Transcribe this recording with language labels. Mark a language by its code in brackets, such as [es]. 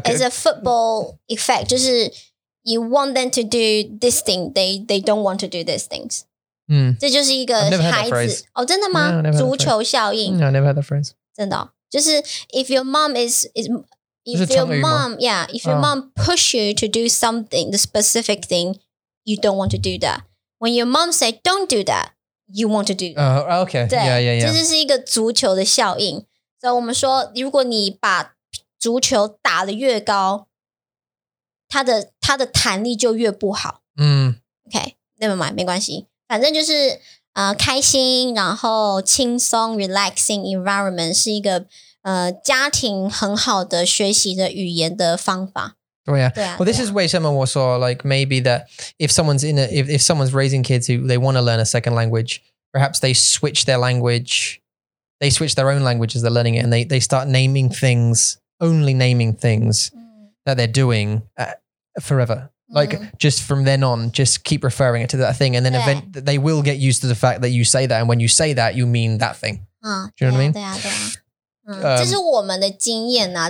[en] it's a football effect, 就是 you want them to do this thing, they don't want to do these things. 嗯， [zh] 这就是一个孩子哦，真的吗？ [en] No, [zh] 足球效应 [en] ？No, never had that phrase. [zh] 真的、哦，就是 [en] if your mom if your mom push you to do something, the specific thing, you don't want to do that. When your mom say don't do that, you want to do that. Okay. Yeah, yeah, yeah. [zh] 这就是一个足球的效应。所以我们说，如果你把足球打得越高，它的弹力就越不好。嗯， [en] OK， never mind， [zh] 没关系。反正就是开心然后轻松 [en] relaxing environment [zh] 是一个家庭很好的学习的语言的方法。对啊。对啊 [en] well, this is [zh] 为什么我说 [en] like maybe that if someone's in a, if someone's raising kids who they want to learn a second language, perhaps they switch their language, they switch their own language as they're learning it and they start naming things, only naming things that they're doing forever. Like,、mm. just from then on, just keep referring it to that thing. And then event, they will get used to the fact that you say that. And when you say that, you mean that thing.、Do you know what I mean? [zh] 对啊对啊、这是我们的经验啊。